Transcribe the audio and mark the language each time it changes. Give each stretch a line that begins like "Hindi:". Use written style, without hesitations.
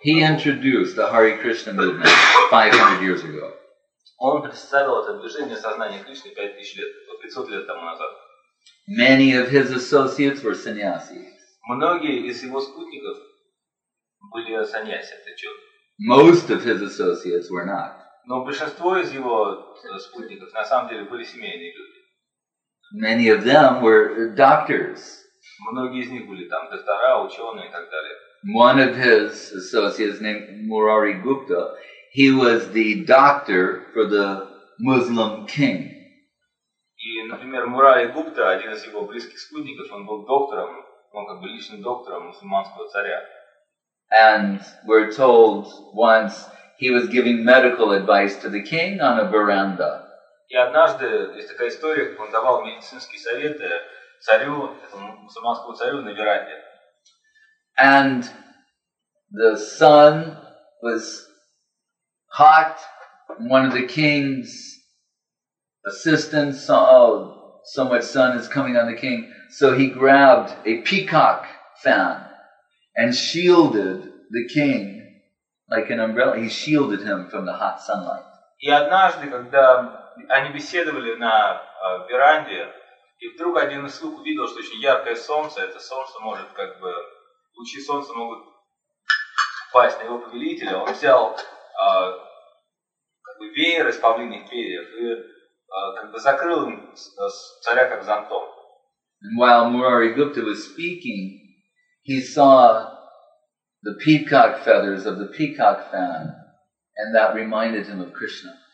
English: He introduced the Hare Krishna movement 500 years ago.
Russian: Он представил это движение сознания Кришны 5000 лет, 500 лет тому назад.
English: Many of his associates were sannyasi.
Russian: Многие из его спутников были саньяси, это чё?
English: Most of his associates were not.
Russian: Но большинство из его спутников на самом деле были семейные люди.
English: Many of them were doctors.
Russian: Многие из них были там доктора, ученые и так далее.
English: One of his associates named Murari Gupta, he was the doctor for the Muslim king.
Russian: И, например, Мурари Гупта, один из его близких спутников, он был доктором, он как бы личным доктором мусульманского царя.
English: And we're told once he was giving medical advice to the king on a veranda.
Russian: И однажды есть такая история, как он давал медицинские советы царю, этому мусульманскому царю на веранде.
English: And the sun was hot. One of the king's assistants saw, oh, so much sun is coming on the king. So he grabbed a peacock fan and shielded the king like an umbrella. He shielded him from the hot sunlight.
Russian: И однажды, когда они беседовали на веранде, и вдруг один из слуг увидел, что очень яркое солнце, это солнце может как бы, лучи солнца могут упасть на его повелителя, он взял как бы веер из павлиньих перьев и как бы закрыл им царя как зонтом.
English: And while Murari Gupta was speaking, he saw the peacock feathers of the peacock fan, and that reminded him of Krishna.